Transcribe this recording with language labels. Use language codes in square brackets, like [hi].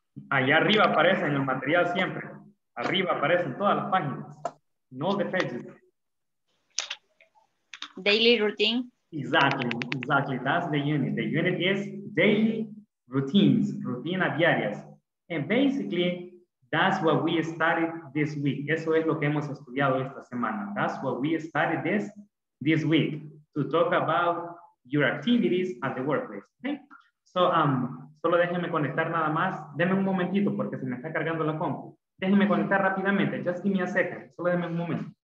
[es] Allá arriba aparece en el material siempre. Arriba aparecen todas las páginas. [en] No the pages. Daily routine. Exactly, exactly. That's the unit. The unit is daily routines, [es] rutinas diarias. [en] And basically, that's what we studied this week. [es] Eso es lo que hemos estudiado esta semana. [en] That's what we studied this week. To talk about your activities at the workplace. [es] Okay? So, solo déjenme conectar nada más. Deme un momentito porque se me está cargando la compu. Déjenme conectar rápidamente. [en] Just give me a second. [es] Solo déjenme un momento.